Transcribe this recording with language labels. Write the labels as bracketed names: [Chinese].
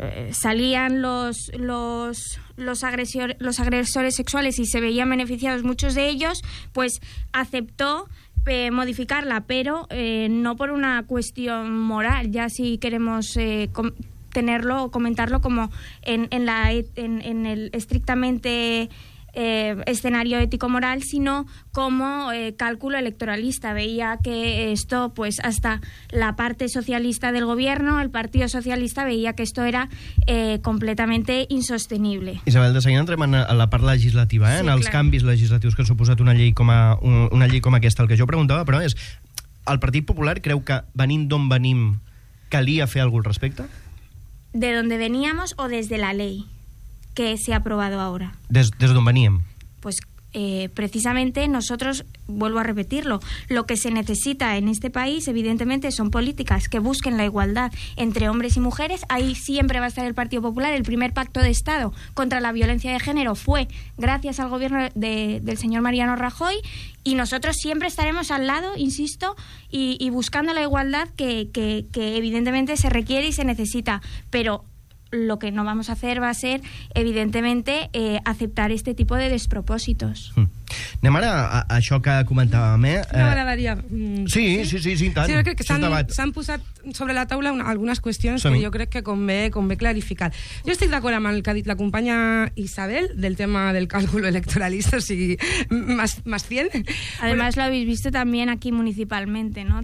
[Spanish] salían los agresores sexuales y se veían beneficiados muchos de ellos, pues aceptó modificarla, pero no por una cuestión moral, ya si queremos tenerlo o comentarlo como en el estrictamente escenario ético-moral, sino como cálculo electoralista. Veía que esto, pues hasta la parte socialista del gobierno, el Partido Socialista, veía que esto era completamente insostenible. [Catalan] Isabel, de seguida entrem en la part legislativa, sí, en els canvis legislatius que ha suposat una llei com aquesta. El que jo preguntava, però, és: el Partit Popular creu que, venint d'on venim, calia fer algun respecte? [Spanish] ¿De dónde veníamos o desde la ley que se ha aprobado ahora? ¿Desde dónde veníamos? Pues precisamente nosotros, vuelvo a repetirlo, lo que se necesita en este país, evidentemente, son políticas que busquen la igualdad entre hombres y mujeres. Ahí siempre va a estar el Partido Popular. El primer pacto de Estado contra la violencia de género fue gracias al gobierno del señor Mariano Rajoy. Y nosotros siempre estaremos al lado, insisto, y buscando la igualdad que evidentemente se requiere y se necesita. Pero lo que no vamos a hacer va a ser, evidentemente, aceptar este tipo de despropósitos. [Catalan] Anem ara a això que comentàvem, eh? No m'agradaria. Sí, tant. Sí, jo crec que s'han posat sobre la taula algunes qüestions que jo crec que convé clarificar. Jo estic d'acord amb el que ha dit la companya Isabel del tema del càlcul electoralista, o sigui, más 100. [Spanish] Además, lo habéis visto también aquí municipalmente, ¿no?